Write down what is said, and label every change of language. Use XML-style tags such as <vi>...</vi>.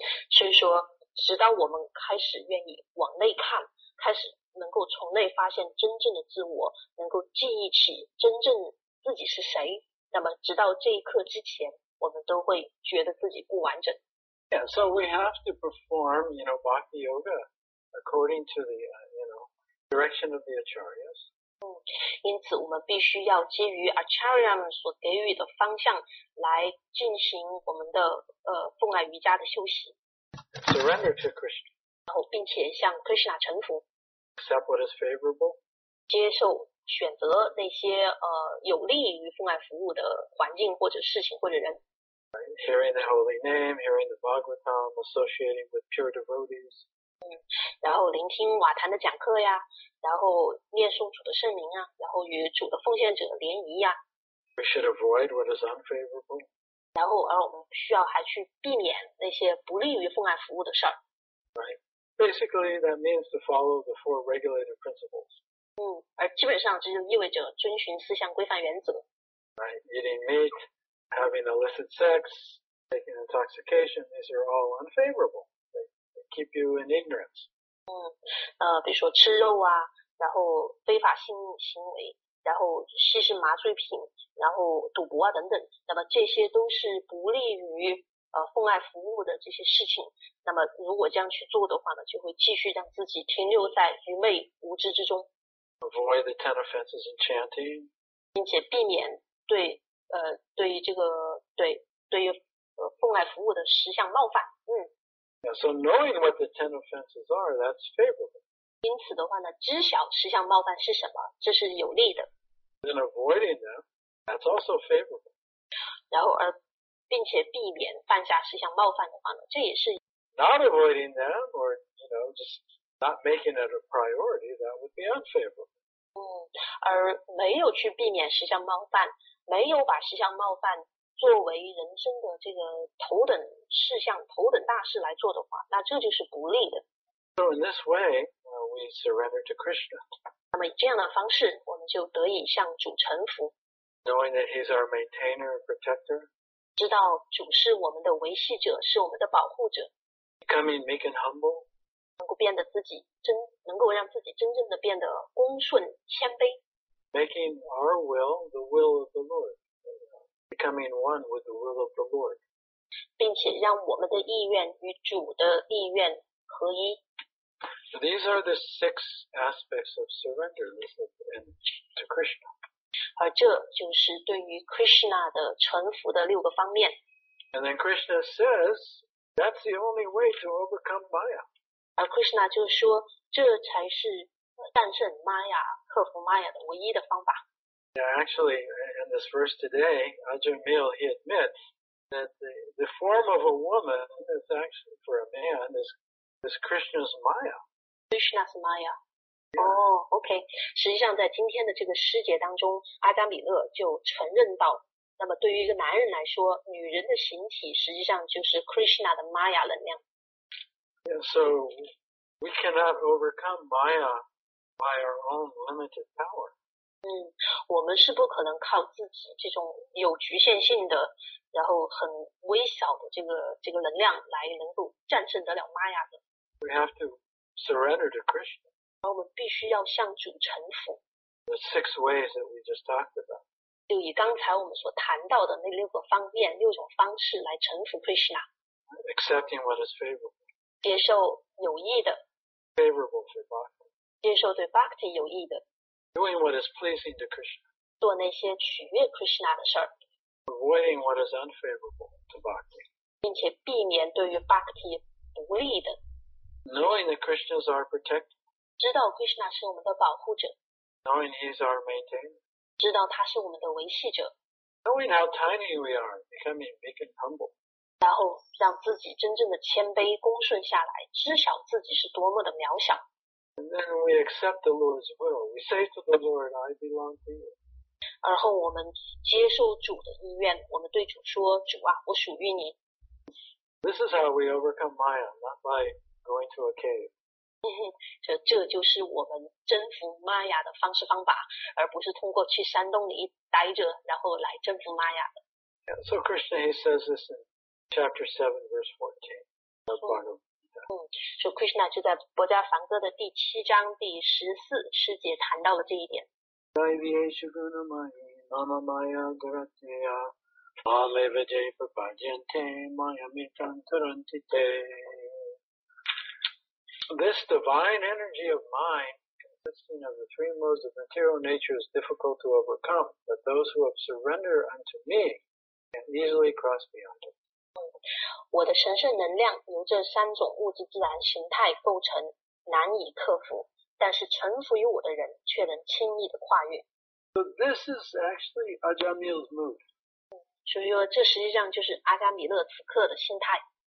<zh>所以说直到我们开始愿意往内看开始能够从内发现真正的自我能够记忆起真正自己是谁那么直到这一刻之前我们都会觉得自己不完整。</zh> <en>Yeah, so we have to perform, you know, bhakti yoga according to the, you know, direction of the acharyas.</en> <zh>因此我们必须要基于 acharya 们所给予的方向来进行我们的奉爱瑜伽的修习。</zh> <en>Surrender to Krishna.</en> <zh>然后并且向 Krishna 臣服。</zh> <en>Accept what is favorable.</en> <zh>接受。选择那些有利于奉爱服务的环境或者事情或者人。</zh> <en>Hearing the holy name, hearing the Bhagavatam, associating with pure devotees.</en> <zh>然后聆听瓦坛的讲课呀，然后念诵主的圣名啊，然后与主的奉献者联谊呀。</zh> <en>We should avoid what is unfavorable.</en> <zh>然后我们需要还去避免那些不利于奉爱服务的事儿。</zh> <en>Right. Basically, that means to follow the four regulative principles.</en> <zh>而基本上这就意味着遵循四项规范原则。</zh> <en>Right, eating meat, having illicit sex, taking intoxication, these are all unfavorable. They keep you in ignorance.</en> <zh>比如说吃肉啊，然后非法性行为，然后吸食麻醉品，然后赌博啊等等，那么这些都是不利于奉爱服务的这些事情，那么如果这样去做的话呢，就会继续让自己停留在愚昧无知之中。</zh> <en>Avoid the ten offenses in chanting，</en> <zh>并且避免对于奉爱服务的十项冒犯。</zh> <en>Yeah, so knowing what the ten offenses are, that's favorable.</en> <zh>因此的话呢，知晓十项冒犯是什么，这是有利的。</zh> <en>Then avoiding them, that's also favorable.</en> <zh>然后并且避免犯下十项冒犯的话呢，这也是</zh> <en>not avoiding them or you know just not making it a priority, that would be unfavorable.</en> <zh>而没有去避免十项冒犯，没有把十项冒犯作为人生的这个头等事项、头等大事来做的话，那这就是不利的。</zh> <en>So in this way, we surrender to Krishna.</en> <zh>那么以这样的方式，我们就得以向主臣服。</zh> <en>Knowing that He's our maintainer and protector.</en> <zh>知道主是我们的维系者，是我们的保护者。</zh> <en>Becoming meek and humble.</en> <zh>能够让自己真正的变得恭顺谦卑。</zh> <en>Making our will the will of the Lord. Becoming one with the will of the Lord.</en> <zh>并且让我们的意愿与主的意愿合一。</zh> <en>So these are the six aspects of surrender to Krishna.</en> <zh>而这就是对于 Krishna 的臣服的六个方面。</zh> <en>And then Krishna says, that's the only way to overcome Maya.</en> <zh>而 Krishna 就说，这才是战胜 Maya, 克服 Maya 的唯一的方法。</zh> <en>Yeah, actually, in this verse today, Ajahn Mill, he admits that the form of a woman is actually, for a man, is Krishna's Maya. Krishna's Maya. Yeah. Oh, okay.</en> <zh>实际上在今天的这个诗节当中，阿加米勒就承认到，那么对于一个男人来说，女人的形体实际上就是 Krishna 的 Maya 能量。</zh> <en>Yeah, so we cannot overcome Maya by our own limited power.</en> <zh>我们是不可能靠自己这种有局限性的，然后很微小的这个能量来能够战胜得了 Maya 的。</zh> <en>We have to surrender to Krishna.</en> <zh>然后我们必须要向主臣服。</zh> <en>The six ways that we just talked about.</en> <zh>就以刚才我们所谈到的那六个方面、六种方式来臣服 Krishna.</zh> <en>Accepting what is favorable.</en> <zh>接受有益的</zh> <en>favorable for Bhakti.</en> <zh>接受对 Bhakti 有益的</zh> <en>doing what is pleasing to Krishna.</en> <zh>做那些取悦 Krishna 的事</zh> <en>avoiding what is unfavorable to Bhakti.</en> <zh>并且避免对于 Bhakti 不利的</zh> <en>knowing that Krishna is our protector.</en> <zh>知道 Krishna 是我们的保护者</zh> <en>knowing he is our maintainer.</en> <zh>知道他是我们的维系者</zh> <en>knowing how tiny we are, becoming meek and humble.</en> <zh>然后让自己真正的谦卑恭顺下来，知晓自己是多么的渺小。</zh> <en>And then we accept the Lord's will. We say to the Lord, I belong to you.</en> <zh>而后我们接受主的意愿，我们对主说，主啊，我属于你。</zh> <en>This is how we overcome Maya, not by going to a cave.</en> <zh>这就是我们征服 Maya 的方式方法，而不是通过去山洞里待着，然后来征服 Maya 的。</zh> <en>Yeah, so Krishna, he says this in Chapter 7, verse 14.</en> <zh>So Krishna 就在《薄伽梵歌》的第七章第十四诗节谈到了这一点。</zh> <sa>Daivyeshu gunamayi mama maya garatiya Mame vajay prabhajyante maya mitran tarantite.</sa> <en>This divine energy of mind consisting of the three modes of material nature is difficult to overcome, but those who have surrendered unto me can easily cross beyond it.</en> <zh>我的神圣能量由这三种物质自然形态构成，难以克服，但是臣服于我的人却能轻易的跨越。</zh> <en>So this is actually Ajahn Mill's mood.</en> <zh>所以说这实际上就是阿加米勒此刻的心态。</zh>